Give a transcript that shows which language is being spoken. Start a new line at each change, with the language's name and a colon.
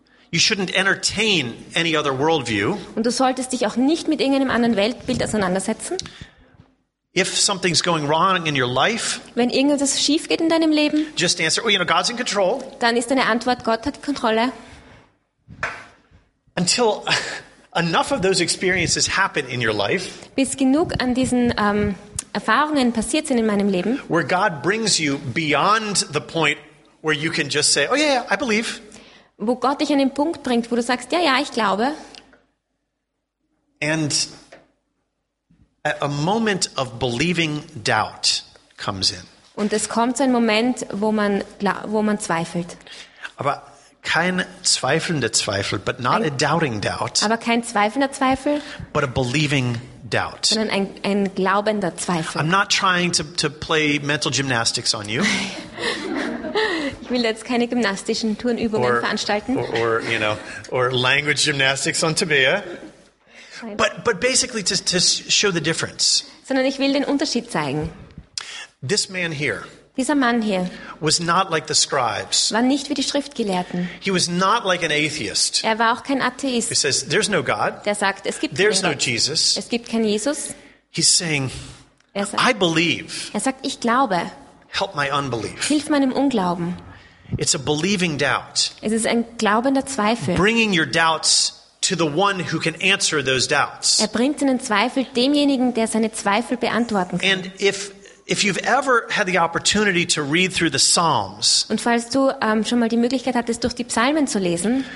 English: You shouldn't entertain any other worldview.
German: Und du solltest dich auch nicht mit irgendeinem anderen Weltbild auseinandersetzen.
English: If something's going wrong in your life,
German: wenn irgendwas schief geht in deinem Leben,
English: just answer, oh, you know, God's in control.
German: Dann ist deine Antwort, Gott hat die Kontrolle.
English: Until enough of those experiences happen in your life,
German: bis genug an diesen Erfahrungen passiert sind in meinem Leben,
English: where God brings you beyond the point where you can just say, oh yeah, I believe.
German: Wo Gott dich an den Punkt bringt, wo du sagst, ja, ich glaube.
English: And a moment of believing doubt comes in.
German: Und es kommt so ein Moment, wo man zweifelt. Aber kein zweifelnder Zweifel,
English: but not a doubting doubt.
German: Aber kein zweifelnder Zweifel.
English: But a believing doubt.
German: Sondern ein glaubender Zweifel.
English: I'm not trying to play mental gymnastics on you.
German: Ich will jetzt keine gymnastischen Turnübungen veranstalten.
English: Or language gymnastics on Tobia. But basically to show the difference.
German: Sondern ich will den Unterschied zeigen.
English: This man here.
German: Dieser Mann hier.
English: Was not like the scribes.
German: War nicht wie die Schriftgelehrten.
English: He was not like an atheist.
German: Er war auch kein Atheist.
English: He says there's no God.
German: Der sagt, es gibt keinen Gott. Jesus. Es gibt keinen Jesus.
English: He's saying, I believe.
German: Er sagt, ich glaube.
English: Help my unbelief.
German: Hilf meinem Unglauben.
English: It's a believing doubt.
German: Es ist ein glaubender Zweifel.
English: Bringing your doubts to the one who can answer those doubts.
German: Er bringt seinen Zweifel demjenigen, der seine Zweifel beantworten kann.
English: And if you've ever had the opportunity to read through the Psalms.
German: Und falls du schon mal die Möglichkeit hattest, durch die Psalmen zu lesen.